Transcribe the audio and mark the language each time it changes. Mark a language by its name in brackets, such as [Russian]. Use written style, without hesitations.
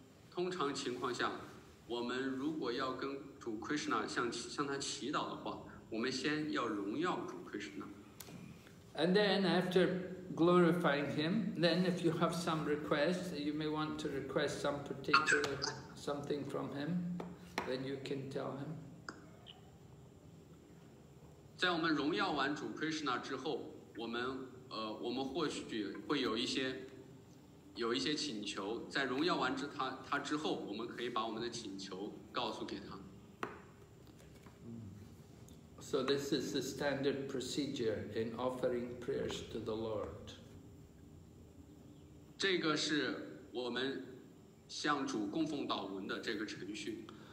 [Chinese] 通常情况下我们如果要跟主 Krishna 向他祈祷的话，我们先要荣耀主 Krishna。 [English] And then after glorifying him, then if you have some request, you may want to request some particular something from him, then you can tell him。 [Chinese] 在我们荣耀完主 Krishna 之后，我们或许会有一些请求，在荣耀完他之后，我们可以把我们的请求告诉给他。 [English] So this is the standard procedure in offering prayers to the Lord. [Chinese] 这个是我们向主供奉祷文的这个程序。